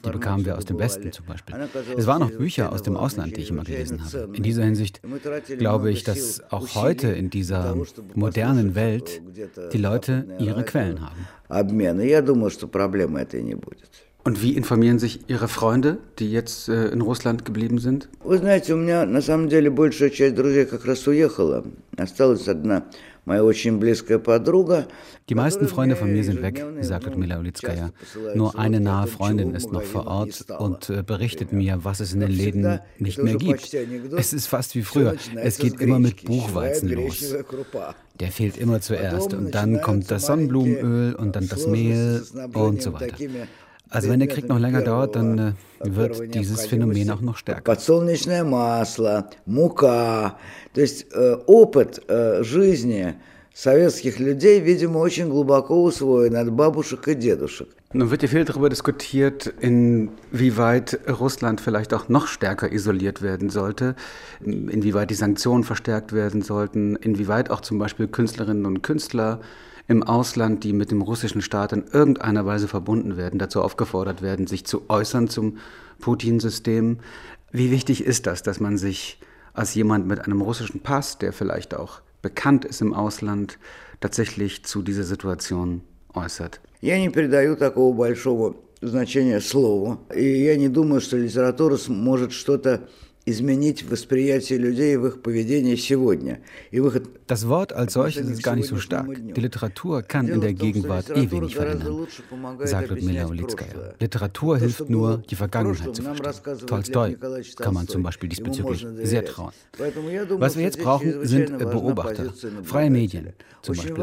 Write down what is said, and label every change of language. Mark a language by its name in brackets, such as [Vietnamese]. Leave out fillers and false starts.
[German] Die bekamen wir aus dem Westen zum Beispiel. Es waren auch Bücher aus dem Ausland, die ich immer gelesen habe. In dieser Hinsicht glaube ich, dass auch heute in dieser modernen Welt die Leute ihre Quellen haben. Und wie informieren sich Ihre Freunde, die jetzt in Russland geblieben sind? [Russian] Вы знаете, у меня на самом деле большая часть друзей как раз уехала. Осталась одна моя очень близкая подруга. [German] Die meisten Freunde von mir sind weg, sagt Ludmila Ulitskaya. Nur eine nahe Freundin ist noch vor Ort und berichtet mir, was es in den Läden nicht mehr gibt. Es ist fast wie früher. Es geht immer mit Buchweizen los. Der fehlt immer zuerst. Und dann kommt das Sonnenblumenöl und dann das Mehl und so weiter. Also wenn der Krieg noch länger dauert, dann wird dieses Phänomen auch noch stärker. [Russian] Подсолнечное масло, мука. То есть опыт жизни советских людей, видимо, очень глубоко усвоен от бабушек и дедушек. [German] Nun wird ja viel darüber diskutiert, inwieweit Russland vielleicht auch noch stärker isoliert werden sollte, inwieweit die Sanktionen verstärkt werden sollten, inwieweit auch zum Beispiel Künstlerinnen und Künstler im Ausland, die mit dem russischen Staat in irgendeiner Weise verbunden werden, dazu aufgefordert werden, sich zu äußern zum Putin-System. Wie wichtig ist das, dass man sich als jemand mit einem russischen Pass, der vielleicht auch bekannt ist im Ausland, tatsächlich zu dieser Situation äußert? [Russian] Я не придаю такого большого значения слову, и я не думаю, что литература может что-то изменить восприятие людей в их поведении сегодня. [German] Das Wort als solches ist gar nicht so stark. Die Literatur kann in der Gegenwart eh wenig verändern, sagt Ludmila Ulitskaya. Literatur hilft nur, die Vergangenheit zu verstehen. Tolstoi kann man zum Beispiel diesbezüglich sehr trauen. Was wir jetzt brauchen, sind Beobachter, freie Medien zum Beispiel.